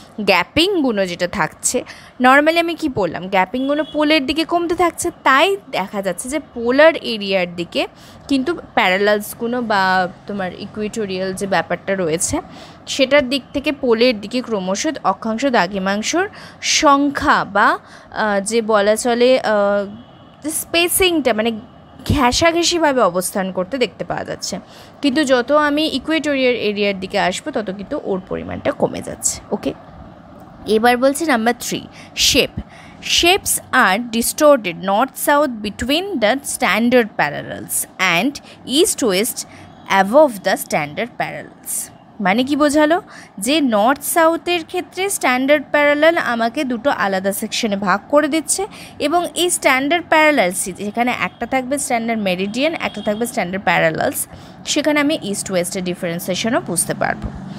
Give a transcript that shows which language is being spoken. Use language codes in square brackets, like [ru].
[bn] গ্যাপিংগুলো যেটা থাকছে, নর্মালি আমি কী বললাম গ্যাপিংগুলো পোলের দিকে কমতে থাকছে, তাই দেখা যাচ্ছে যে পোলার এরিয়ার দিকে কিন্তু প্যারালালসগুলো বা তোমার ইকুয়েটোরিয়াল যে ব্যাপারটা রয়েছে সেটার দিক থেকে পোলের দিকে ক্রমশ অক্ষাংশ দ্রাঘিমাংশর সংখ্যা বা যে বলা চলে স্পেসিংটা মানে ঘেঁষাঘেঁষিভাবে অবস্থান করতে দেখতে পাওয়া যাচ্ছে, কিন্তু যত আমি ইকুয়েটোরিয়াল এরিয়ার দিকে আসবো তত কিন্তু ওর পরিমাণটা কমে যাচ্ছে। ওকে, এবার বলছে number three, shape. [en] Shapes are distorted north-south between the standard parallels and east-west above the standard parallels. [bn] মানে কি বোঝালো, যে নর্থ সাউথের ক্ষেত্রে স্ট্যান্ডার্ড প্যারালাল আমাকে দুটো আলাদা সেকশনে ভাগ করে দিচ্ছে এবং এই স্ট্যান্ডার্ড প্যারালালস যেখানে একটা থাকবে স্ট্যান্ডার্ড মেরিডিয়ান একটা থাকবে স্ট্যান্ডার্ড প্যারালালস সেখানে আমি ইস্ট ওয়েস্টের ডিফারেন্সিয়েশনও বুঝতে পারবো।